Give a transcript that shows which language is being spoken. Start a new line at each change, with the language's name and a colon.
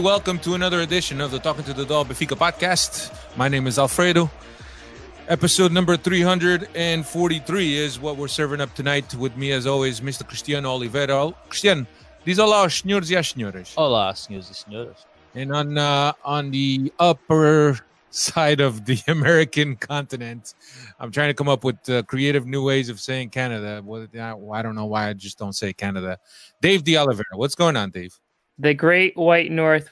English: Welcome to another edition of the Talking to the Doll Benfica podcast. My name is Alfredo. Episode number 343 is what we're serving up tonight. With me, as always, Mr. Cristiano Oliveira.
Portuguese: Cristiano, diz olá aos senhores e às senhoras. Olá, senhores e senhoras.
English: And on the upper side of the American continent, I'm trying to come up with creative new ways of saying Canada. Well, I don't know why I just don't say Canada. Dave De Oliveira, what's going on, Dave? The Great White North.